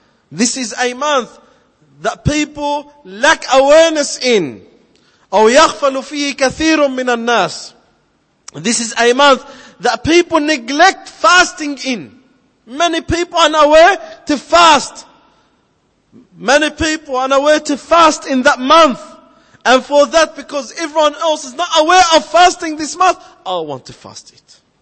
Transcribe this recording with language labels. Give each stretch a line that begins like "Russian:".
English: This is a month that people lack awareness in.
Arabic: أو يغفل فيه كثير من الناس.
English: This is a month that people neglect fasting in. Many people are unaware to fast. Many people are unaware to fast in that month. And for that, because everyone else is not aware of fasting this month, I want to fast it.